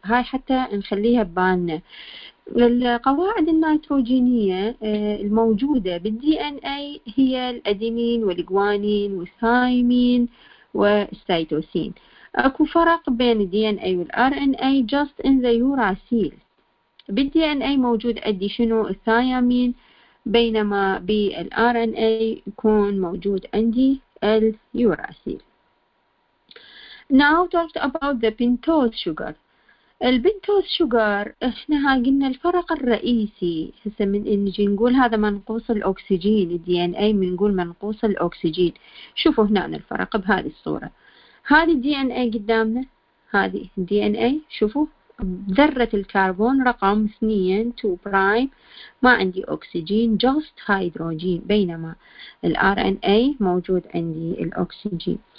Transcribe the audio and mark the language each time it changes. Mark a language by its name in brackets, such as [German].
[Arabic] هاي حتى نخليها ببالنا. القواعد النيتروجينية الموجودة بالدي ان اي هي الادينين والجوانين والثايمين والسيتوسين. اكو فرق بين الدي ان اي والار ان اي [English] Just in the uracil. [Arabic] بالدي ان اي موجود ادي شنو؟ الثايمين، بينما بالار ان اي يكون موجود عندي اليوراسيل. [English] Now talked about the pentose sugar. [Arabic] البنتوز شوغر احنا ها قلنا الفرق الرئيسي هسه من نجي نقول هذا منقوص الاكسجين، الدي ان اي منقول منقوص الاكسجين. شوفوا هنا الفرق بهذه الصوره، هذه الدي ان اي قدامنا، هذه الدي ان اي شوفوا ذره الكربون رقم 2 برايم، ما عندي اكسجين جاست هيدروجين، بينما الار ان اي موجود عندي الاكسجين.